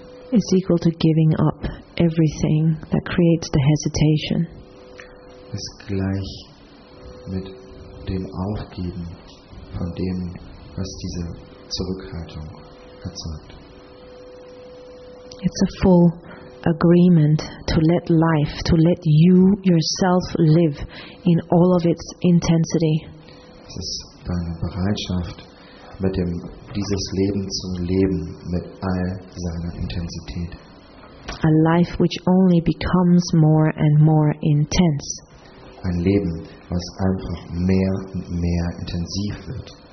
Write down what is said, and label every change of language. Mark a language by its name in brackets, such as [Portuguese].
[English] It's equal to giving up everything that creates the hesitation. [German] Ist gleich mit dem Aufgeben von dem, was diese Zurückhaltung erzeugt. [English] It's a full agreement to let life, to let you yourself live in all of its intensity. [German] Es ist deine Bereitschaft, mit dem dieses Leben zu leben mit all seiner Intensität. [English] A life which only becomes more and more intense. [German] Ein Leben, was einfach mehr und mehr intensiv wird.